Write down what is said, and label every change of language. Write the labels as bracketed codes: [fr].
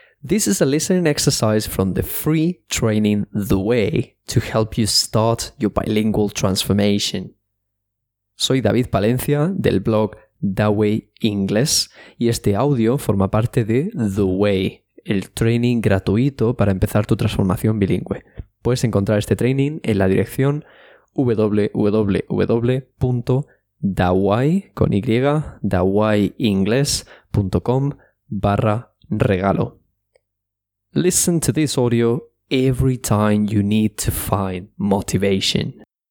[en] This is a listening exercise from the free training The Way to help you start your bilingual transformation. [es] Soy David Palencia del blog Da Way Inglés y este audio forma parte de The Way, el training gratuito para empezar tu transformación bilingüe. Puedes encontrar este training en la dirección www.dawayinglés.com/regalo. [en] Listen to this audio every time you need to find motivation.